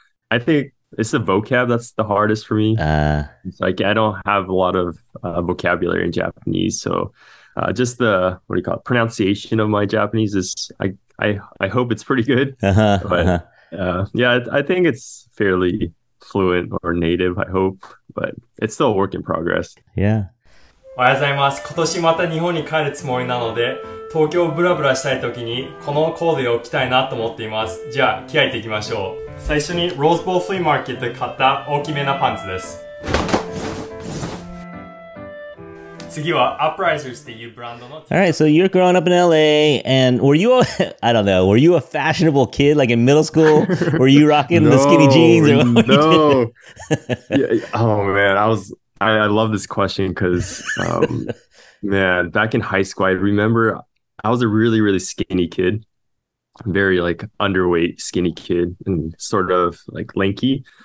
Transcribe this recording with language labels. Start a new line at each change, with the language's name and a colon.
English: I think it's the vocab that's the hardest for me. I don't have a lot of vocabulary in Japanese, so. Just the, what do you call it, pronunciation of my Japanese is, I hope it's pretty good. I think it's fairly fluent or native, I hope, but it's still a work in progress. Yeah.
Japanese: おはようございます。今年また日本に帰るつもりなので、東京をブラブラしたいときにこのコーデを着たいなと思っています。じゃあ、気合いていきましょう。最初にローズボールフリーマーケットで買った大きめなパンツです。
English: All right, so you're growing up in LA, and were you a fashionable kid like in middle school? Were you rocking the skinny jeans? Or what? No. I love this question because, back in high school, I remember I was a really, really skinny kid, very underweight skinny kid and sort of lanky.